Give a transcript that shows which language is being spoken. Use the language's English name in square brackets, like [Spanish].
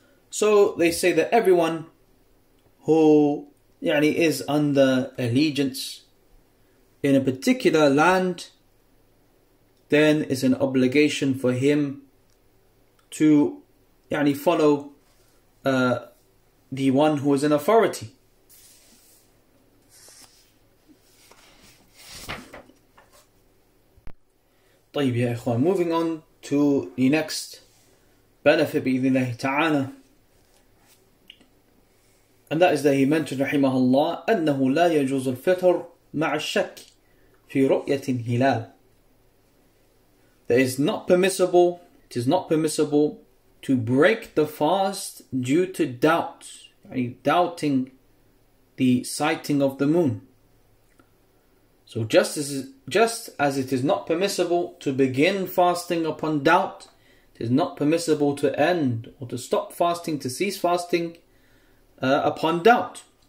[English] So they say that everyone who يعني, is under allegiance in a particular land, then it's an obligation for him to يعني, follow the one who is in authority. [Arabic] طيب يا إخوان, [English] moving on to the next benefit [Arabic] بإذن الله تعالى. [English] And that is that he mentioned, rahimahullah, [Arabic] أَنَّهُ لَا يَجُوزُ الْفِطْرُ مَعَ الشَّكِّ فِي رُؤْيَةٍ هِلَالٍ. [English] That is not permissible, it is not permissible to break the fast due to doubt, doubting the sighting of the moon. So just as it is not permissible to begin fasting upon doubt, it is not permissible to end or to stop fasting, to cease fasting, upon doubt.